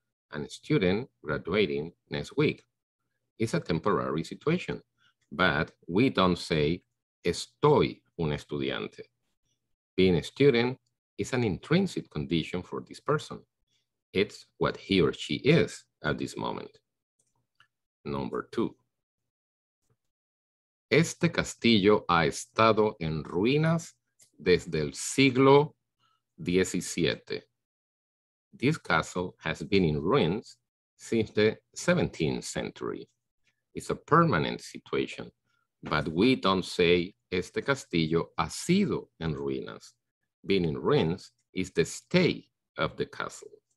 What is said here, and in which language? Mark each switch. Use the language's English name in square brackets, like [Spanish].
[English] A student graduating next week. It's a temporary situation, but we don't say [Spanish] estoy un estudiante. [English] Being a student is an intrinsic condition for this person. It's what he or she is at this moment. Number two. [Spanish] Este castillo ha estado en ruinas desde el siglo XVII. [English] This castle has been in ruins since the 17th century. It's a permanent situation, but we don't say [Spanish] este castillo ha sido en ruinas. [English] Being in ruins is the state of the castle.